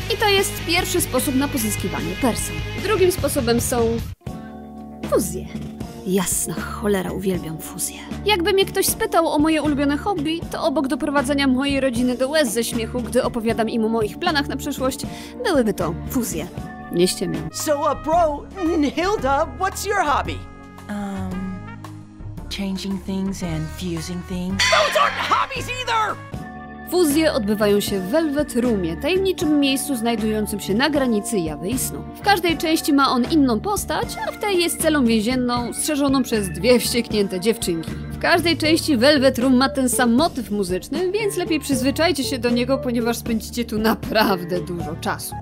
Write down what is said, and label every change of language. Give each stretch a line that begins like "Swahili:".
Polish: I to jest pierwszy sposób na pozyskiwanie person. Drugim sposobem są fuzje. Jasna cholera, uwielbiam fuzje. Jakby mnie ktoś spytał o moje ulubione hobby, to obok doprowadzenia mojej rodziny do łez ze śmiechu, gdy opowiadam im o moich planach na przyszłość, byłyby to fuzje. Nie ściemię.
English: So, bro, Hilda, what's your hobby? Changing things and fusing things. Those aren't hobbies either!
Polish: Fuzje odbywają się w Velvet Roomie, tajemniczym miejscu znajdującym się na granicy jawy i snu. W każdej części ma on inną postać, a w tej jest celą więzienną, strzeżoną przez dwie wścieknięte dziewczynki. W każdej części Velvet Room ma ten sam motyw muzyczny, więc lepiej przyzwyczajcie się do niego, ponieważ spędzicie tu naprawdę dużo czasu.